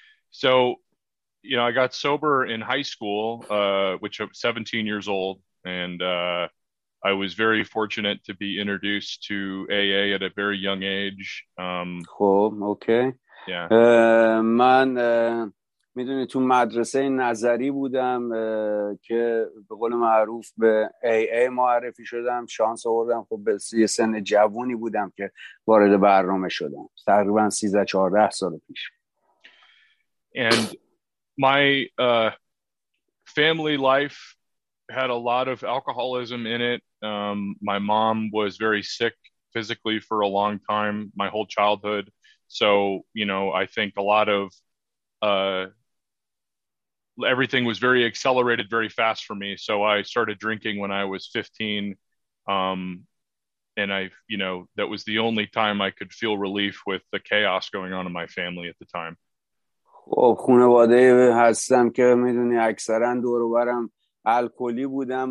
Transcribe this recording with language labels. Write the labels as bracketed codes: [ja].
[en] So, you know, I got sober in high school, which I was 17 years old, and I was very fortunate to be introduced to AA at a very young age. خب okay. Yeah. [fa] من میدونی تو مدرسه نظری بودم که به قول معروف به AA معرفی شدم. شانس آوردم، خب به یه سن جوونی بودم که وارد برنامه شدم، تقریبا 13-14 سال پیش. [en] And my family life had a lot of alcoholism in it. My mom was very sick physically for a long time, my whole childhood. So, you know, I think a lot of everything was very accelerated very fast for me. So I started drinking when I was 15. And I, you know, that was the only time I could feel relief with the chaos going on in my family at the time. [fa] خب خانواده هستم که میدونی اکثرا دور و برم الکلی بودم.